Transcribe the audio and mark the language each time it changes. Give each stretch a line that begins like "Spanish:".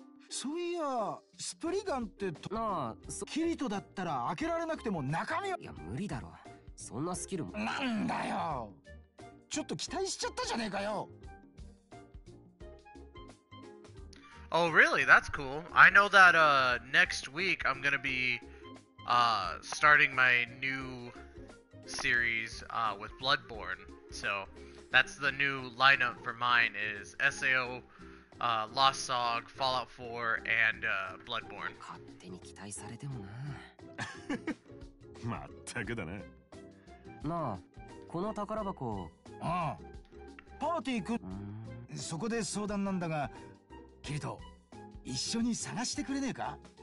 Japanese: そういやスプリガンってなあキリトだったら開けられなくても中身は。いや無理だろ。そんなスキルも。なんだよ。ちょっと期待しちゃったじゃねえかよ。
English: Oh, really? That's cool. I know that next week I'm gonna be. Starting my new series with Bloodborne. So that's the new lineup for mine is SAO, Lost Song, Fallout 4, and Bloodborne.
Japanese: 勝手に期待されてもな。まったくだね。なあ、この宝箱。ああ、パーティー行く。そこで相談なんだが、キリト、一緒に探してくれねえか。